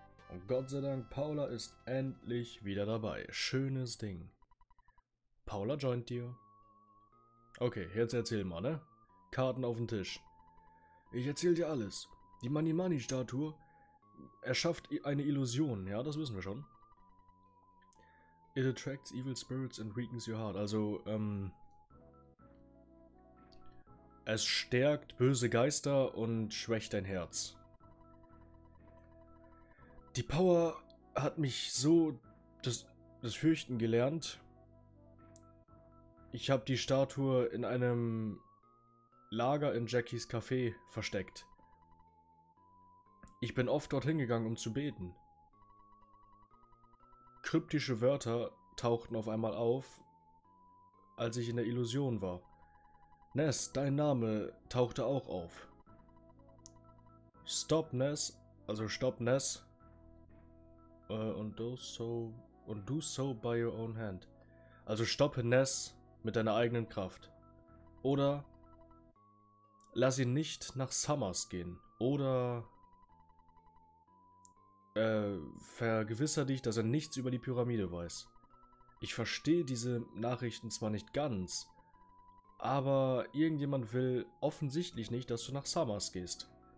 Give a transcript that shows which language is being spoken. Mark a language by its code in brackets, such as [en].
[de] Und Gott sei Dank, Paula ist endlich wieder dabei. Schönes Ding. Paula joint dir. Okay, jetzt erzähl mal, ne? Karten auf den Tisch. Ich erzähl dir alles. Die Manimani-Statue erschafft eine Illusion. Ja, das wissen wir schon. [en] It attracts evil spirits and weakens your heart. [de] Also, es stärkt böse Geister und schwächt dein Herz. Die Power hat mich so das Fürchten gelernt. Ich habe die Statue in einem Lager in Jackies Café versteckt. Ich bin oft dorthin gegangen, um zu beten. Kryptische Wörter tauchten auf einmal auf, als ich in der Illusion war. Ness, dein Name tauchte auch auf. [en] Stop Ness, also stop Ness. Und do so by your own hand. [de] Also stoppe Ness mit deiner eigenen Kraft. Oder lass ihn nicht nach Summers gehen. Oder vergewissere dich, dass er nichts über die Pyramide weiß. Ich verstehe diese Nachrichten zwar nicht ganz, aber irgendjemand will offensichtlich nicht, dass du nach Summers gehst.